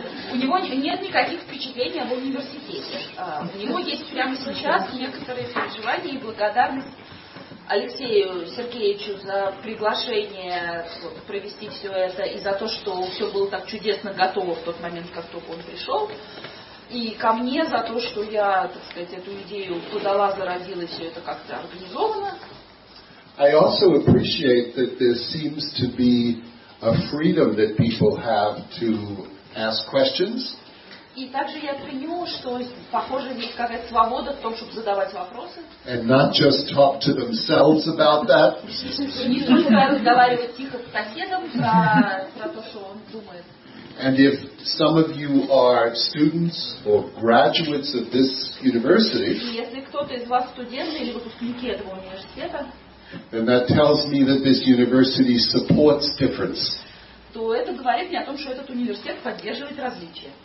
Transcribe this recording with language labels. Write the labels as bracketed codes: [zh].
[ru] У него нет никаких впечатлений об университете. У него есть прямо сейчас некоторые переживания и благодарность Алексею Сергеевичу за приглашение провести все это и за то, что все было так чудесно готово в тот момент, как только он пришел. И ко мне за то, что я, так сказать, эту идею подала, зародила, все это как-то организовано. [en] I also appreciate that there seems to be a freedom that people have to ask questions. [ru] И также я ценю, что похоже есть какая-то свобода в том, чтобы задавать вопросы. [en] And not just talk to themselves about that. [ru] Не только разговаривать тихо с соседом про то, что он думает. [en] And if some of you are students or graduates of this university, [ru] если кто-то из вас студент или выпускник этого университета, [en] then that tells me that this university supports difference. [ru] То это говорит мне о том, что этот университет поддерживает различия.